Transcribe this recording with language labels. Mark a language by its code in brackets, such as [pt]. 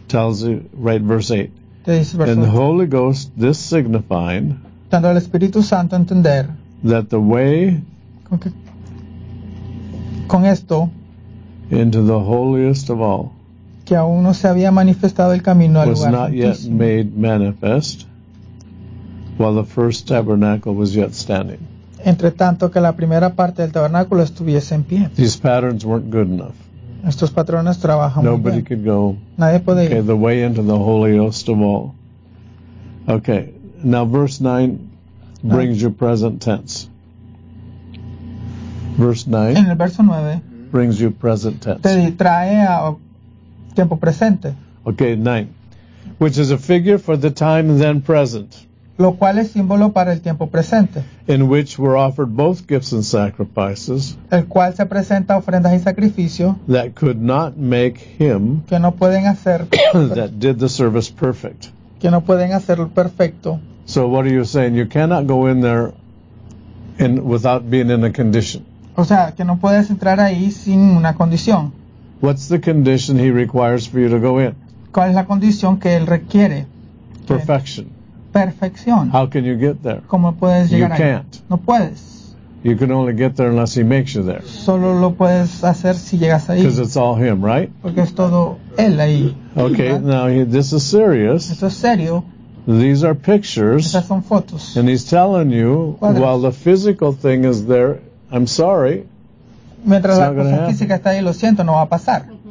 [en] Tells you, right, verse 8. [es] Te dice verso [en] and the Holy Ghost, this signifying [es] dando al Espíritu Santo a entender [en] that the way [es] con esto [en] into the holiest of all [es] que aún no se había manifestado el camino al [en] was [es] lugar [en] not yet made manifest while the first tabernacle was yet standing. [es] Entre tanto que la primera parte del tabernáculo estuviese en pie. [en] These patterns weren't good enough. [es] Estos patrones trabajan [en] nobody [es] muy bien. [en] Nobody could go. [es] Nadie puede [en] okay, [es] ir. [en] The way into the holiest of all. Okay. Now verse 9 brings you present tense. Verse 9. [es] En el verso 9 [en] brings you present tense. [es] Te trae a tiempo presente. [en] Okay, 9. Which is a figure for the time then present. [es] Lo cual es símbolo para el tiempo presente. [en] In which were offered both gifts and sacrifices. [es] El cual se presenta ofrendas y sacrificio. [en] That could not make him [es] que no pueden hacer [en] that did the service perfect. [es] Que no pueden hacerlo perfecto. [en] So what are you saying? You cannot go in there in, without being in a condition. [es] O sea, que no puedes entrar ahí sin una condición. [en] What's the condition he requires for you to go in? [es] ¿Cuál es la condición que él requiere? [en] Perfection. [es] Perfección. [en] How can you get there? [es] ¿Cómo puedes llegar [en] Can't. [es] No puedes. [en] You can only get there unless he makes you there. [es] Solo lo puedes hacer si llegas ahí. [en] Because it's all him, right? [es] Porque es todo él ahí. [en] Okay, ¿verdad? Now this is serious. [es] Esto es serio. [en] These are pictures. [es] Estas son fotos. [en] And he's telling you, [es] cuadras. [en] While the physical thing is there, I'm sorry. [es] Mientras la cosa física está ahí, lo siento, no va a pasar.